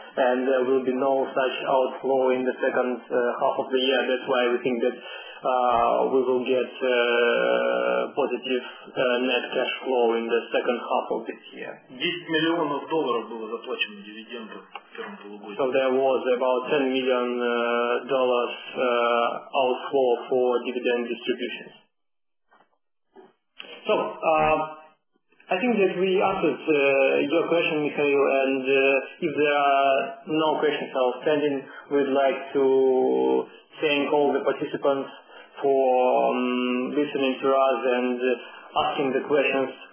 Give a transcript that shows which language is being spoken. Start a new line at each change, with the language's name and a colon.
English: And there will be no such outflow in the second half of the year. That's why we think that we will get positive net cash flow in the second half of this year.
Russian: $10 million было заплачено дивидендов в первом полугодии.
English: So there was about $10 million outflow for dividend distributions. So I think that we answered your question, Mikhail, and if there are no questions outstanding, we'd like to thank all the participants for listening to us and asking the questions.